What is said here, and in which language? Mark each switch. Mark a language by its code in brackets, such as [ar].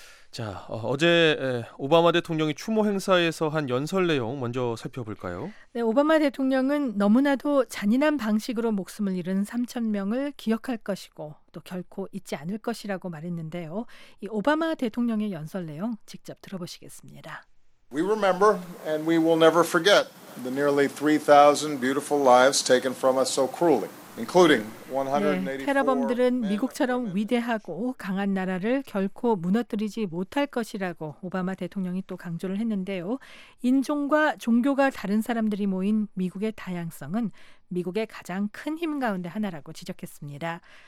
[ko] 자, 어제 오바마 대통령이 추모 행사에서 한 연설 내용 먼저 살펴볼까요? 네, 오바마 대통령은 너무나도 잔인한 방식으로 목숨을 잃은 3천 명을 기억할 것이고 또 결코 잊지 않을 것이라고 말했는데요. 이 오바마 대통령의 연설 내용 직접 들어보시겠습니다. [en] We remember and we will never forget the nearly 3,000 beautiful lives taken from us so cruelly. [ko] 네, 테러범들은 미국처럼 위대하고 강한 나라를 결코 무너뜨리지 못할 것이라고 오바마 대통령이 또 강조를 했는데요. 인종과 종교가 다른 사람들이 모인 미국의 다양성은 미국의 가장 큰 힘 가운데 하나라고 지적했습니다.